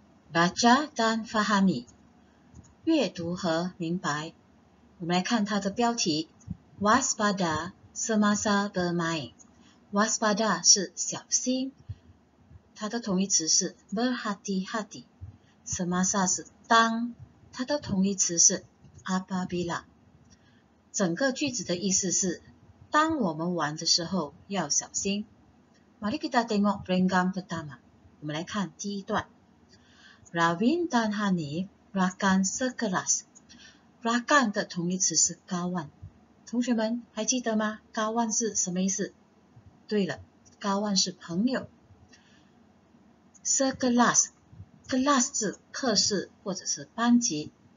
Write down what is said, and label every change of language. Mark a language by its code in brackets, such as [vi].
[ms] Baca dan fahami， [zh] 阅读和明白。我们来看它的标题，Waspada。 [ms] Semasa bermain, [zh] waspada 是小心，它的同义词是 berhati-hati。 Semasa 是当，它的同义词是 apabila。整个句子的意思是，当我们玩的时候要小心。 [ms] Mari kita tengok renggang pertama， [zh] 我们来看第一段。 [ms] Ravin dan Hanif rakan sekelas。 [zh] Rakan 的同义词是 kawan。同学们还记得吗？高万是什么意思？对了，高万是朋友。 Sekelas，kelas 是课室或者是班级。